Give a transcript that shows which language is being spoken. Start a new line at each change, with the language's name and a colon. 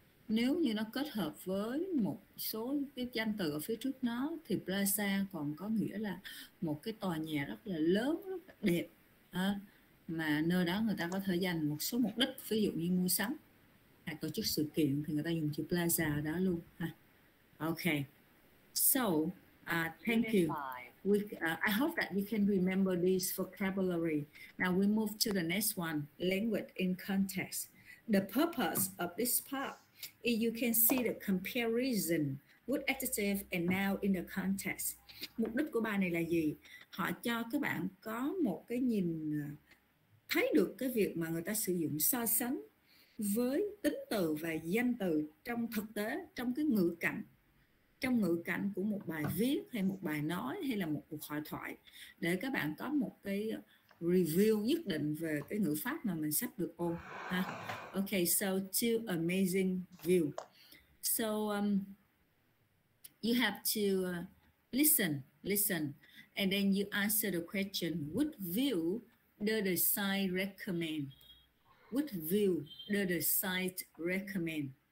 Vietnamese: nếu như nó kết hợp với một số cái danh từ ở phía trước nó thì plaza còn có nghĩa là một cái tòa nhà rất là lớn, rất là đẹp à, mà nơi đó người ta có thể dành một số mục đích, ví dụ như mua sắm hay tổ chức sự kiện thì người ta dùng chữ plaza ở đó luôn ha.
English: Ok, so thank you. I hope that you can remember this vocabulary. Now we move to the next one, language in context. The purpose of this part is you can see the comparison with adjective and noun in the context.
Vietnamese: Mục đích của bài này là gì? Họ cho các bạn có một cái nhìn, thấy được cái việc mà người ta sử dụng so sánh với tính từ và danh từ trong thực tế, trong cái ngữ cảnh, trong ngữ cảnh của một bài viết hay một bài nói hay là một cuộc hội thoại, để các bạn có một cái review nhất định về cái ngữ pháp mà mình sắp được ôn ha.
English: Ok, so two amazing view. So you have to listen and then you answer the question, which view does the site recommend? Which view does the site recommend?